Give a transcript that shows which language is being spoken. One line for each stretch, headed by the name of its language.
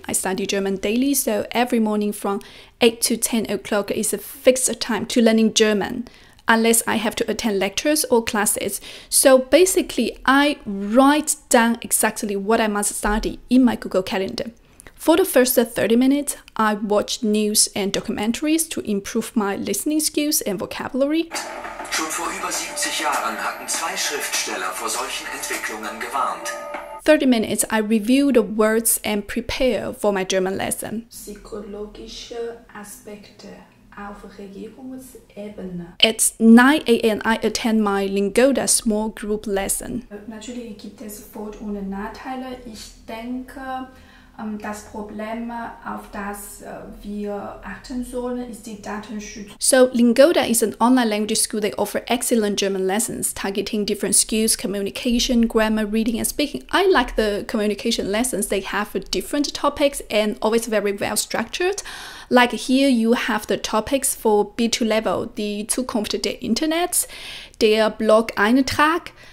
English: I study German daily, so every morning from 8 to 10 o'clock is a fixed time to learning German, unless I have to attend lectures or classes. So basically, I write down exactly what I must study in my Google Calendar. For the first 30 minutes, I watch news and documentaries to improve my listening skills and vocabulary.
German: Schon vor über 70 Jahren hatten zwei Schriftsteller vor solchen Entwicklungen gewarnt.
English: 30 minutes, I review the words and prepare for my German lesson.
German: Psychologische Aspekte.
English: At 9 a.m., I attend my Lingoda small group lesson.
German: Natürlich gibt es Vor- und Nachteile. Ich denke, das Problem, auf das wir achten sollen, ist die Datenschutz.
English: So, Lingoda is an online language school. They offer excellent German lessons, targeting different skills, communication, grammar, reading, and speaking. I like the communication lessons. They have different topics and always very well structured. Like here, you have the topics for B2 level, the
German: Zukunft der Internet, der Blog Eintrag.